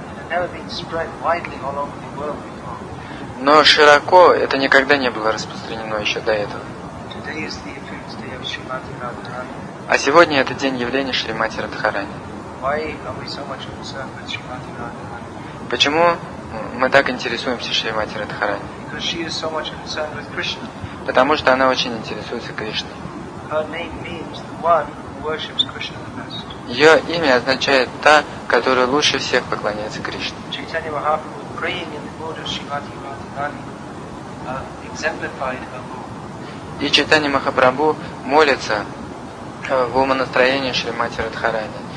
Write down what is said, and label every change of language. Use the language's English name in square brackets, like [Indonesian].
[English] Never been spread widely all over the world before. [Russian] Но широко это никогда не было распространено еще до этого. [English] Today is the appearance day of Shrimati Radharani. [Russian] А сегодня это день явления Шримати Радхарани. [English] Why are we so much concerned with Shrimati Radharani? [Russian] Почему мы так интересуемся Шримати Радхарани? [English] Because she is so much concerned with Krishna. [Russian] Потому что она очень интересуется Кришной. [English] Her name means the one who worships Krishna the best. [Russian] Ее имя означает «та, которая лучше всех поклоняется Кришне». [English] Чайтанья Махапрабху, praying in the mode of Shrimati Radharani, exemplified her mood. [Russian] И Чайтанья Махапрабху молится в умонастроении Шримати Радхарани.